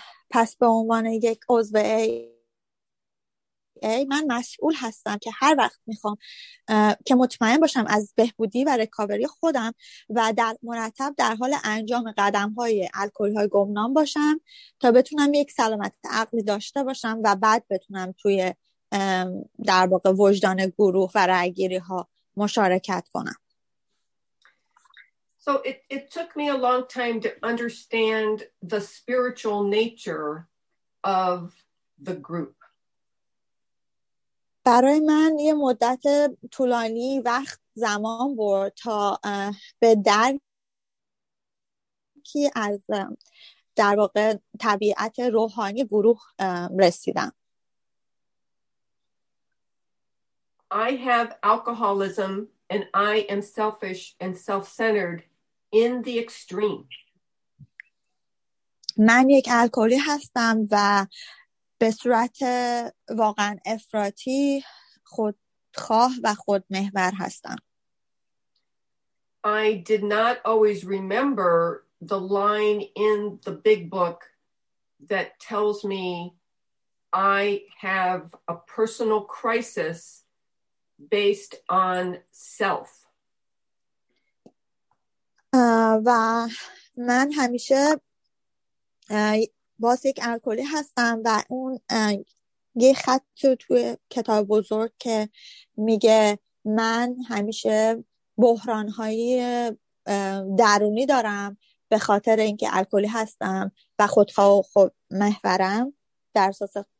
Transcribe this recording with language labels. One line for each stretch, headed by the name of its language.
Persian: پس به عنوان یک عضو AA من مسئول هستم که هر وقت میخوام که مطمئن باشم از بهبودی و ریکاوری خودم و در مرتب در حال انجام قدم های الکلی های گمنام باشم تا بتونم یک سلامت عقلی داشته باشم و بعد بتونم توی در واقع وجدان گروه و رأی گیری ها مشارکت کنم.
English: So it took me a long time to understand the spiritual nature of the group.
Persian: برای من یه مدت طولانی وقت زمان برد تا به درکی از در واقع طبیعت روحانی گروه رسیدم.
English: I have alcoholism and I am selfish and self-centered in the extreme.
Persian: من یک الکلی هستم و به صورت واقعا افراطی خودخواه و خودمحور هستم.
English: I did not always remember the line in the big book that tells me I have a personal crisis based on self.
Persian: و من همیشه باز یک الکلی هستم و اون یه خط توی کتاب بزرگ که میگه من همیشه بحران‌های درونی دارم به خاطر اینکه الکلی هستم و خودخواه خود محورم در اساس